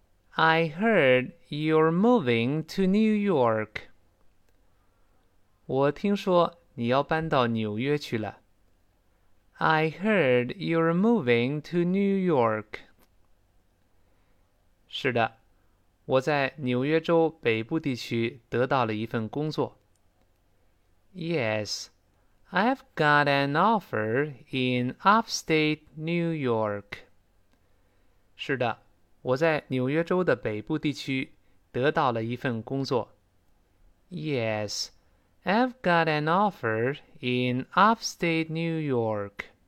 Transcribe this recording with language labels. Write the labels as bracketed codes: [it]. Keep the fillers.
[en] I heard you're moving to New York. [zh] 我听说你要搬到纽约去了。 [en] I heard you're moving to New York. [zh] 是的，我在纽约州北部地区得到了一份工作。 [en] Yes, I've got an offer in upstate New York. [zh] 是的，我在纽约州的北部地区得到了一份工作。 [en] Yes, I've got an offer in upstate New York.